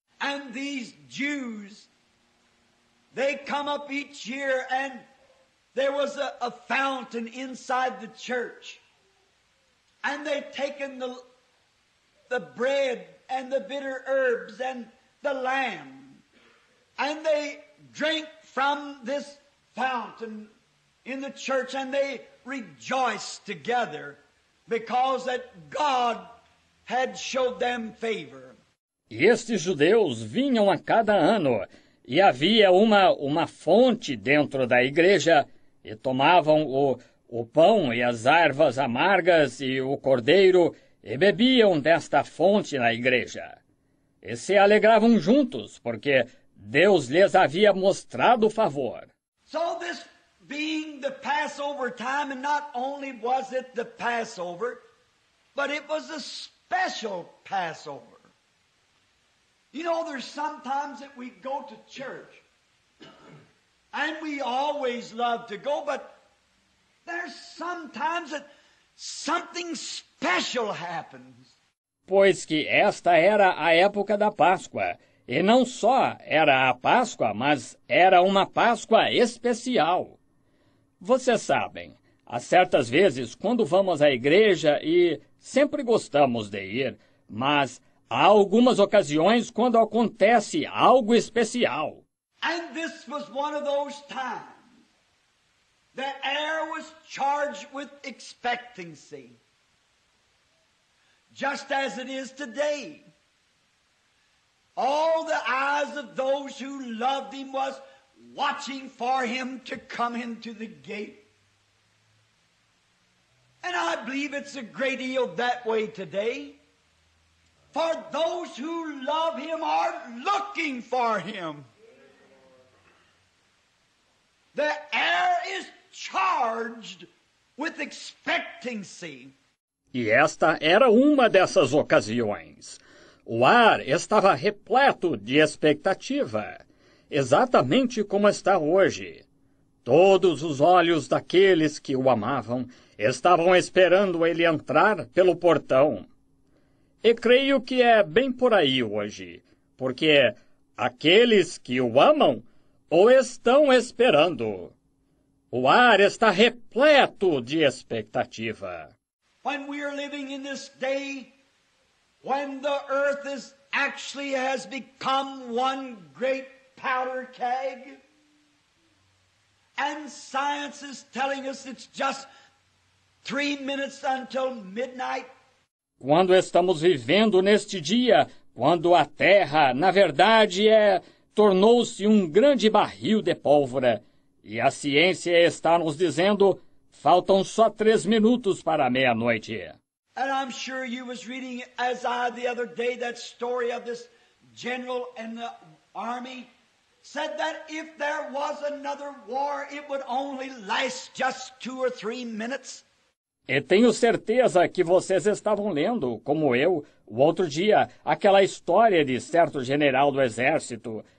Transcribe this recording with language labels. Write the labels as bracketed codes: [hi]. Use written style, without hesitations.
[en] And these Jews, they come up each year and there was a fountain inside the church. And they'd taken the bread and the bitter herbs and the lamb. And they drank from this fountain in the church. And they rejoiced together because that God had showed them favor. [pt] E estes judeus vinham a cada ano. E havia uma fonte dentro da igreja. E tomavam o pão e as ervas amargas e o cordeiro e bebiam desta fonte na igreja. E se alegravam juntos, porque Deus lhes havia mostrado favor. [en] So this being the Passover time, and not only was it the Passover, but it was a special Passover. You know, there's sometimes that we go to church. And we always love to go, but there's sometimes that something special happens. [pt] Pois que esta era a época da Páscoa, e não só era a Páscoa, mas era uma Páscoa especial. Vocês sabem, Há certas vezes, quando vamos à igreja e sempre gostamos de ir, mas há algumas ocasiões quando acontece algo especial. [en] And this was one of those times. The air was charged with expectancy. Just as it is today. All the eyes of those who loved him was watching for him to come into the gate. And I believe it's a great deal that way today. For those who love him are looking for him. The air is charged with expectancy. [pt] E esta era uma dessas ocasiões. O ar estava repleto de expectativa, exatamente como está hoje. Todos os olhos daqueles que o amavam estavam esperando ele entrar pelo portão. E creio que é bem por aí hoje, porque aqueles que o amam o estão esperando. O ar está repleto de expectativa. [en] When we are living in this day, when the earth is actually has become one great powder keg, and science is telling us it's just 3 minutes until midnight. [pt] Quando estamos vivendo neste dia, quando a Terra, na verdade, tornou-se um grande barril de pólvora, e a ciência está nos dizendo, faltam só 3 minutos para a meia-noite. [en] And I'm sure you was reading, as I the other day, that story of this general in the army, said that if there was another war, it would only last just 2 or 3 minutes. [pt] E tenho certeza que vocês estavam lendo, como eu, o outro dia, aquela história de certo general do exército.